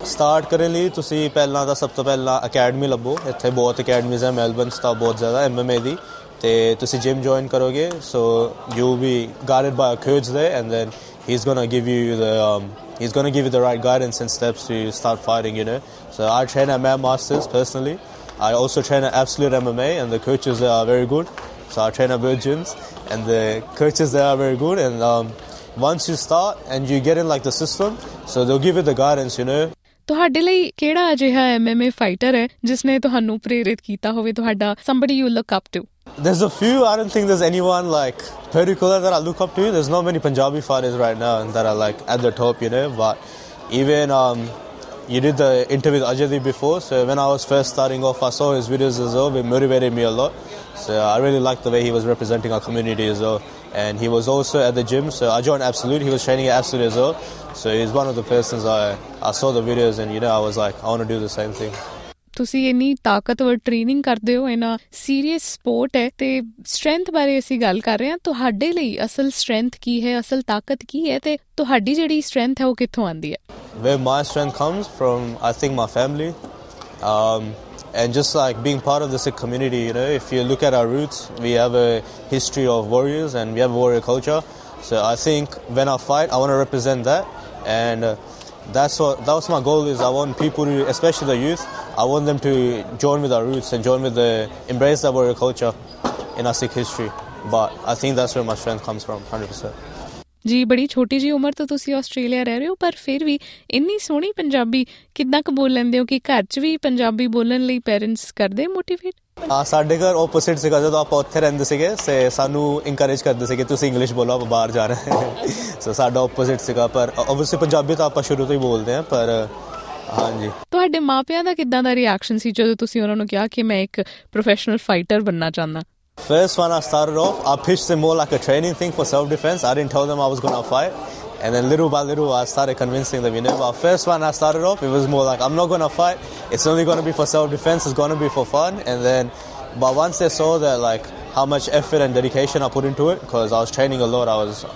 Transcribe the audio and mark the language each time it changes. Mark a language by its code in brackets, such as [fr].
[pa] Start ਕਰਨ ਲਈ ਤੁਸੀਂ ਪਹਿਲਾਂ ਤਾਂ ਸਭ ਤੋਂ ਪਹਿਲਾਂ ਅਕੈਡਮੀ ਲੱਭੋ, ਇੱਥੇ ਬਹੁਤ ਅਕੈਡਮੀਜ਼ ਹੈ ਮੈਲਬਰਨ 'ਚ ਤਾਂ ਬਹੁਤ ਜ਼ਿਆਦਾ MMA ਦੀ, ਤੇ ਤੁਸੀਂ ਜਿਮ ਜੁਆਇਨ ਕਰੋਗੇ, [en] So you be guided by a coach ਦੇ, and then he is gonna give you the right guidance and steps to start fighting, you know. So I train at MMA masters personally, I also train at Absolute MMA and the coaches there are very good. So I train at both gyms and the coaches there are very good. And once you start and you get in like the system, so they'll give you the guidance, you know. [pa] ਤੁਹਾਡੇ ਲਈ ਕਿਹੜਾ ਅਜਿਹਾ MMA fighter ਹੈ ਜਿਸਨੇ ਤੁਹਾਨੂੰ ਪ੍ਰੇਰਿਤ ਕੀਤਾ ਹੋਵੇ, ਤੁਹਾਡਾ [en] somebody you look up to? There's a few. I don't think there's anyone like particular that I look up to. There's not many Punjabi fighters right now that are like at the top, you know, but even you did the interview with Ajay before, so when I was first starting off, I saw his videos as well. It motivated me a lot. So I really liked the way he was representing our community as well. And he was also at the gym, so I joined Absolute. He was training at Absolute as well. So he's one of the persons I saw the videos and, you know, I was like, I want to do the same thing. [pa] ਤੁਸੀਂ ਇੰਨੀ ਤਾਕਤਵਰ training ਕਰਦੇ ਹੋ, ਇੰਨਾ serious support ਹੈ, ਤੇ strength ਬਾਰੇ ਅਸੀਂ ਗੱਲ ਕਰ ਰਹੇ ਹਾਂ, ਤੁਹਾਡੇ ਲਈ ਅਸਲ ਸਟਰੈਂਥ ਕੀ ਹੈ, ਅਸਲ ਤਾਕਤ ਕੀ ਹੈ, ਤੇ ਤੁਹਾਡੀ ਜਿਹੜੀ ਸਟਰੈਂਥ ਹੈ ਉਹ ਕਿੱਥੋਂ ਆਉਂਦੀ ਹੈ? [en] Where my strength comes from, I think my family, and just like being part of the Sikh community, you know, if you look at our roots, we have a history of warriors and we have a warrior culture. So I think when I fight, I want to represent that, and that was my goal. Is I want people, especially the youth, I want them to join with our roots and join with the embrace the warrior culture in our Sikh history. But I think that's where my strength comes from, 100%. [pa] ਜੀ ਬੜੀ ਛੋਟੀ ਜਿਹੀ ਉਮਰ ਤੋਂ ਤੁਸੀਂ Australia ਰਹਿ ਰਹੇ ਹੋ, ਪਰ ਫਿਰ ਵੀ ਇੰਨੀ ਸੋਹਣੀ ਪੰਜਾਬੀ ਕਿੱਦਾਂ ਕੁ ਬੋਲ ਲੈਂਦੇ ਹੋ? ਕਿ ਘਰ 'ਚ ਵੀ ਪੰਜਾਬੀ ਬੋਲਣ ਲਈ ਪੇਰੈਂਟਸ ਕਰਦੇ ਮੋਟੀਵੇਟ? ਸਾਡੇ ਘਰ ਓਪੋਜ਼ਿਟ ਸੀਗਾ, ਜਦੋਂ ਆਪਾਂ ਉੱਥੇ ਰਹਿੰਦੇ ਸੀਗੇ ਤੇ ਸਾਨੂੰ ਇਨਕਰੇਜ ਕਰਦੇ ਸੀਗੇ ਤੁਸੀਂ ਇੰਗਲਿਸ਼ ਬੋਲੋ ਆਪਾਂ ਬਾਹਰ ਜਾ ਰਹੇ ਹਾਂ, ਸੋ ਸਾਡਾ ਓਪੋਜ਼ਿਟ ਸੀਗਾ, ਪਰ ਓਬਵੀਅਸਲੀ ਪੰਜਾਬੀ ਤਾਂ ਆਪਾਂ ਸ਼ੁਰੂ ਤੋਂ ਹੀ ਬੋਲਦੇ ਹਾਂ। ਪਰ ਹਾਂਜੀ, ਤੁਹਾਡੇ ਮਾਪਿਆਂ ਦਾ ਕਿੱਦਾਂ ਦਾ ਰਿਐਕਸ਼ਨ ਸੀ ਜਦੋਂ ਤੁਸੀਂ ਉਹਨਾਂ ਨੂੰ ਕਿਹਾ ਕਿ ਮੈਂ ਇੱਕ ਪ੍ਰੋਫੈਸ਼ਨਲ ਫਾਈਟਰ ਬਣਨਾ ਚਾਹੁੰਦਾ? [en] First one, I started off, I pitched them more like a training thing for self-defense. I didn't tell them I was going to fight. And then little by little, I started convincing them, you know. But first one, I started off, it was more like, I'm not going to fight. It's only going to be for self-defense. It's going to be for fun. And then, but once they saw that, like, how much effort and dedication I put into it, because I was training a lot.